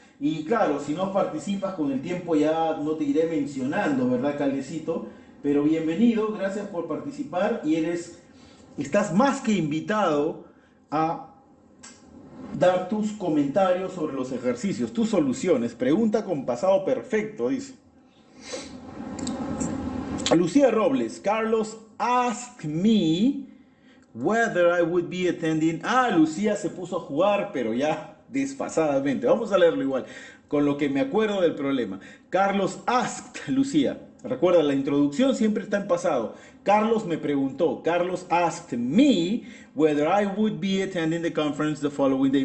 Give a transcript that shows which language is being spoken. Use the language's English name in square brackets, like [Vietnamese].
[Spanish] Y claro, si no participas con el tiempo ya no te iré mencionando, ¿verdad, Calecito? Pero bienvenido, gracias por participar y estás más que invitado a dar tus comentarios sobre los ejercicios, tus soluciones. Pregunta con pasado perfecto, dice. [English] Lucía Robles, Carlos, ask me whether I would be attending. [Spanish] Ah, Lucía se puso a jugar, pero ya desfasadamente. Vamos a leerlo igual, con lo que me acuerdo del problema. [English] Carlos asked, [Spanish] Lucía, recuerda, la introducción siempre está en pasado. Carlos me preguntó, [English] Carlos asked me whether I would be attending the conference the following day.